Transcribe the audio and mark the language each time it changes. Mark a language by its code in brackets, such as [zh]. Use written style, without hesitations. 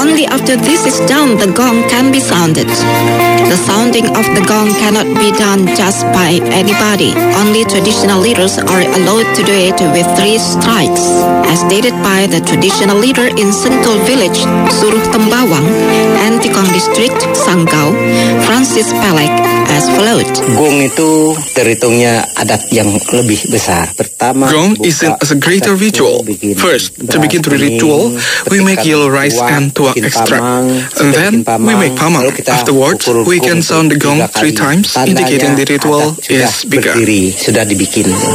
[en] After this is done, the gong can be sounded. The sounding of the gong cannot be done just by anybody. Only traditional leaders are allowed to do it with three strikes. As stated by the traditional leader in Sentul Village, Suruh Tembawang, Antikong District, Sanggau, Francis Pelek, as followed. [id] Gong itu terhitungnya adat yang lebih besar. Pertama, [en] gong is an, as a greater ritual. First, to begin the ritual, we make yellow rice and tuak extract. And then we make pamang. Afterwards, we can sound the gong three times, indicating the ritual is bigger. [id] Sudah dibikin.